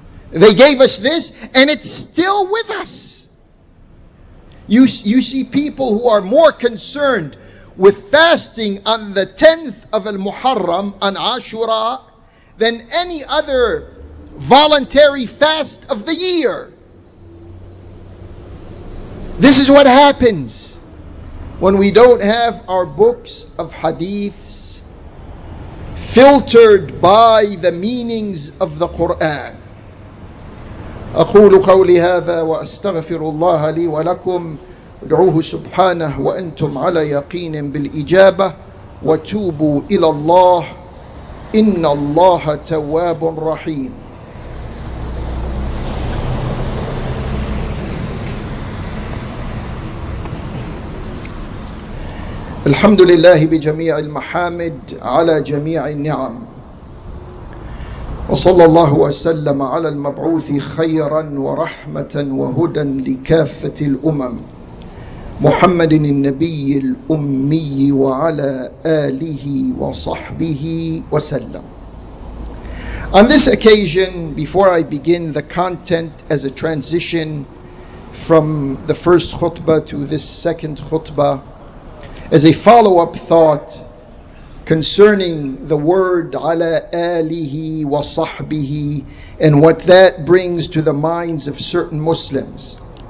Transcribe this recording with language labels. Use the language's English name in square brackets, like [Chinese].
[English] They gave us this and it's still with us. You see people who are more concerned with fasting on the 10th of Al-Muharram, on Ashura, than any other voluntary fast of the year. This is what happens when we don't have our books of hadiths filtered by the meanings of the Quran. [Arabic] أقول قولي هذا وأستغفر الله لي ولكم ادعوه سبحانه وأنتم على يقين بالإجابة وتوبوا إلى الله إن الله تواب رحيم. الحمد لله بجميع المحامد على جميع النعم وصلى الله وسلم على المبعوث خيرا ورحمة وهدى لكافة الأمم محمد النبي الأمي وعلى آله وصحبه وسلم. [English] On this occasion, before I begin the content as a transition from the first khutbah to this second khutbah, as a follow-up thought concerning the word ala alihi wa sahbihi and what that brings to the minds of certain Muslims.